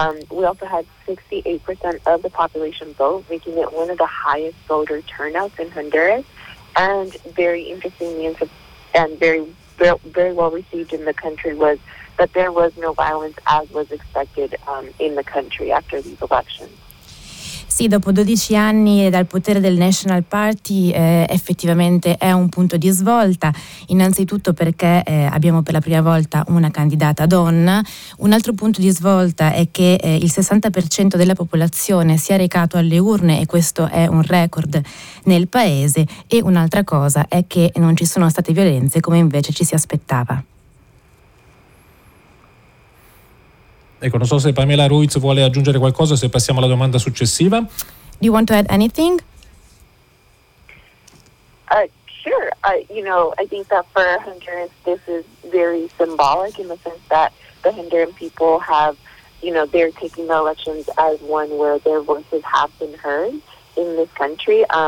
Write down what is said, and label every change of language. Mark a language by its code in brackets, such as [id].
[en] We also had 68% of the population vote, making it one of the highest voter turnouts in Honduras, and very interestingly and very, very well received in the country was that there was no violence as was expected in the country after these elections. [it] Sì, dopo 12 anni dal potere del National Party effettivamente è un punto di svolta, innanzitutto perché abbiamo per la prima volta una candidata donna. Un altro punto di svolta è che il 60% della popolazione si è recato alle urne, e questo è un record nel paese. E un'altra cosa è che non ci sono state violenze come invece ci si aspettava. Ecco, non so se Pamela Ruiz vuole aggiungere qualcosa, se passiamo alla domanda successiva. [en] Do you want to add anything? Sure. You know, I think that for Honduras, this is very symbolic in the sense that the Honduran people have, you know, they're taking the elections as one where their voices have been heard in this country.